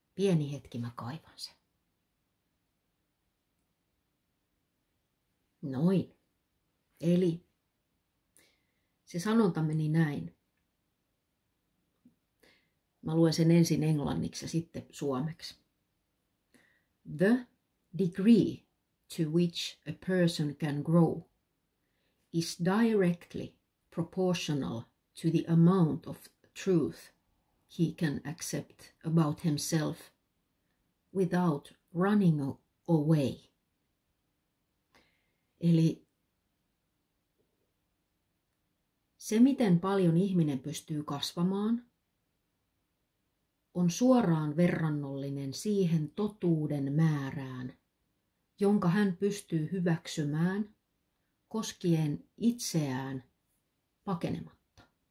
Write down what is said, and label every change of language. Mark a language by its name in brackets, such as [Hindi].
[Finnish] Pieni hetki, mä kaivan sen. Noin. Eli se sanonta meni näin. Mä luen sen ensin englanniksi ja sitten suomeksi. [English] The degree to which a person can grow is directly proportional to the amount of truth he can accept about himself without running away. [Finnish] Eli se, miten paljon ihminen pystyy kasvamaan, on suoraan verrannollinen siihen totuuden määrään, jonka hän pystyy hyväksymään koskien itseään pakenematta.